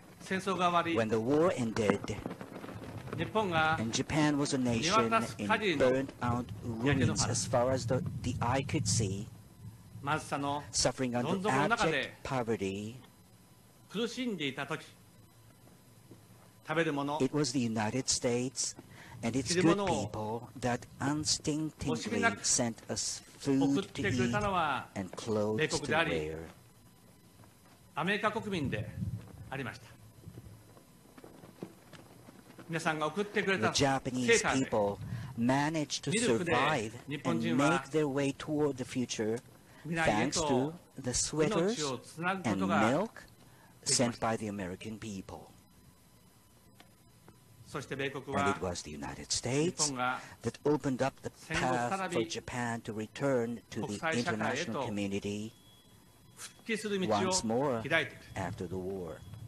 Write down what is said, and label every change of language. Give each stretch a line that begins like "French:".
English: When the war ended and Japan was a nation in burnt out ruins as far as the eye could see, suffering under abject poverty, it was the United States and its good people that unstintingly sent us food to eat and clothes to wear.
Japanese: アメリカ国民でありました。皆さんが送ってくれた
English: Japanese people managed to survive and make their way toward the future thanks to the sweaters and milk sent by the American people. And it was the United States that opened up the path for Japan to return to the international community once more after the war.